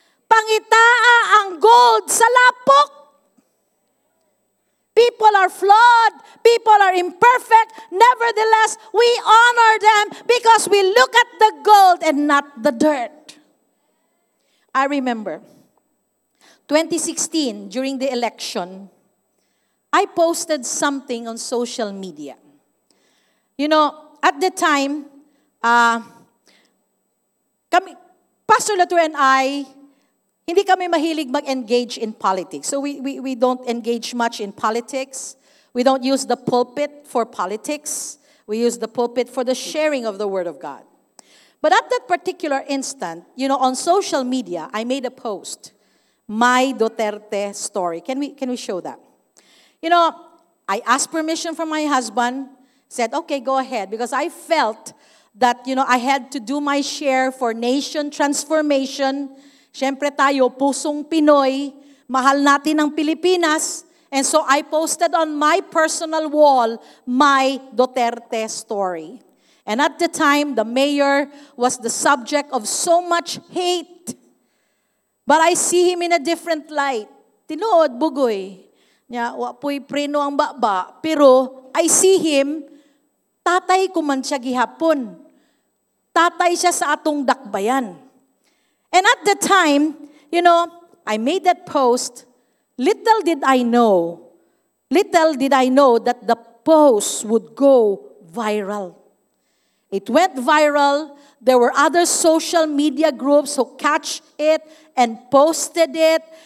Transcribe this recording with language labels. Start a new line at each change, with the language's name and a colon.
Cebuano: Pangitaa ang gold sa lapok.
English: People are flawed. People are imperfect. Nevertheless, we honor them because we look at the gold and not the dirt. I remember 2016, during the election, I posted something on social media. You know, at the time, Pastor Latour and I,
Filipino: hindi kami mahilig mag-engage
English: in politics. So we don't engage much in politics. We don't use the pulpit for politics. We use the pulpit for the sharing of the Word of God. But at that particular instant, you know, on social media, I made a post, my Duterte story. Can we show that? You know, I asked permission from my husband, said, okay, go ahead, because I felt that, you know, I had to do my share for nation transformation.
Filipino: Siyempre tayo, pusong Pinoy, mahal natin ang Pilipinas.
English: And so I posted on my personal wall, my Duterte story. And at the time, the mayor was the subject of so much hate. But I see him in a different light.
Cebuano: Tinood, bugoy. Nya, wapoy preno ang baba. Pero
English: I see him,
Cebuano: tatay ko man siya gihapon. Tatay siya sa atong dakbayan.
English: And at the time, you know, I made that post. Little did I know that the post would go viral. It went viral. There were other social media groups who catch it and posted it.